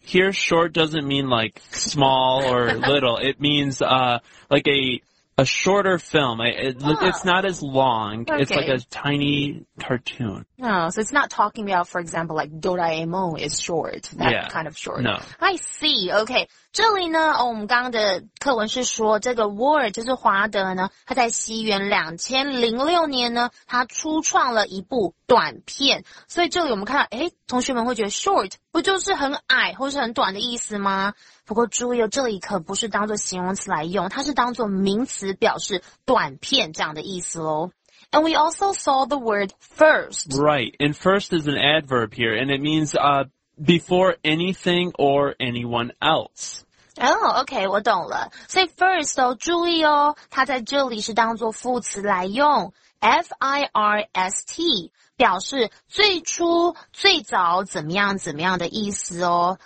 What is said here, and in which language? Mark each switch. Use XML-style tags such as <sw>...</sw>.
<en>Here, short doesn't mean like small or little. It means like a shorter film. It's not as long. Okay. It's like a tiny cartoon. No, so it's not talking about, for example, like Doraemon is short. Kind of short. No. I see. Okay.</en> <zh>这里呢、哦、我们刚刚的课文是说这个 Ward 就是华德呢他在西元2006年呢他初创了一部短片。所以这里我们看到诶同学们会觉得 short 不就是很矮或是很短的意思吗？不过注意哦，这里可不是当作形容词来用，它是当作名词表示短片这样的意思咯。</zh> <en>And we also saw the word first. Right, and first is an adverb here, and it means, before anything or anyone else.</en> <zh>Oh, okay, 我懂了。所以 first 哦，注意哦，它在这里是当作副词来用 ,F-I-R-S-T, 表示最初、最早怎么样、怎么样的意思哦。</zh>